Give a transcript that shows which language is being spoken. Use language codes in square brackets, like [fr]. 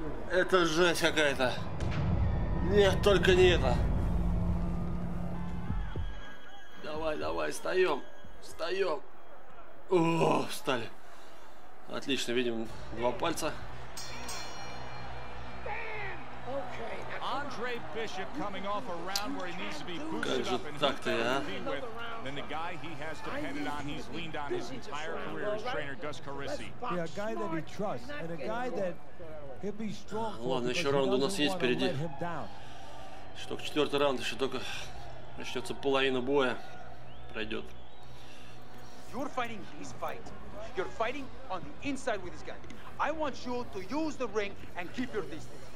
[ru] Это жесть какая-то. Нет, только не это. Давай, давай, встаем. Встаем. О, встали. Отлично, видим два пальца. [en] Andre Bishop coming off a round where he needs to be boosted up and then the guy he has depended on, he's leaned on his entire career is trainer Gus Carissi. Yeah, a guy that he trusts and a guy that he'll be strong. [ru] Ладно, еще раунд у нас есть впереди. Что к четвертый раунд, еще только начнется половина боя. Пройдет. [en] You're fighting his fight. You're fighting on the inside with this guy. I want you to use the ring and keep your distance.